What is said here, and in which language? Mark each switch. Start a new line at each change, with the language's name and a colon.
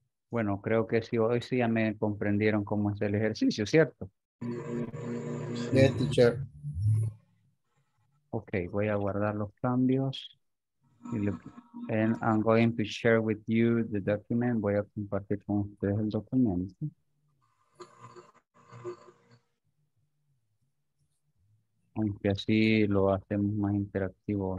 Spanish: Bueno, creo que sí, hoy sí ya me comprendieron cómo es el ejercicio, ¿cierto?
English: Yes, teacher.
Spanish: Okay, voy a guardar los cambios.
English: And I'm going to share with you the document.
Spanish: Voy a compartir con ustedes el documento. Aunque así lo hacemos más interactivo.